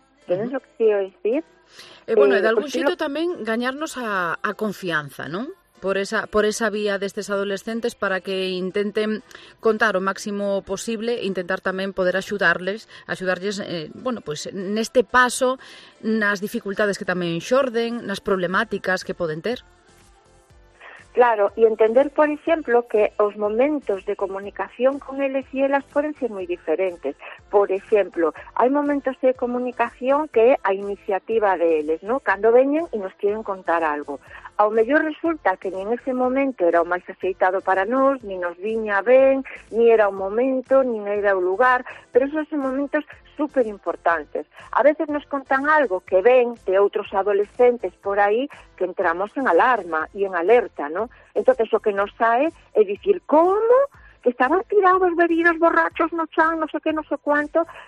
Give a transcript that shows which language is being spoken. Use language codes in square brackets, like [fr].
[es] ¿Tienes lo que quiero decir? Bueno, de algún sitio también [gl] gañarnos a confianza, [es] ¿no? [gl] Por esa vía de estes adolescentes para que intenten contar o máximo posible e intentar tamén poder axudarles neste paso, nas dificultades que tamén xorden, nas problemáticas que poden ter. Claro, e entender, por exemplo, que os momentos de comunicación con eles e elas poden ser moi diferentes. Por exemplo, hai momentos de comunicación que é a iniciativa de eles, ¿no? Cando veñen e nos queren contar algo. Ao mellor resulta que nin ese momento era o máis axeitado para nós, ni nos viña ben, ni era o momento, ni era o lugar, pero esos son momentos súper importantes. A veces nos contan algo que ven de outros adolescentes por aí que entramos en alarma y en alerta, ¿no? Entonces o que nos sae é dicir, ¿cómo? Que estaban tirados, bebidos, borrachos, no chan, [es] no sé qué, no sé cuánto.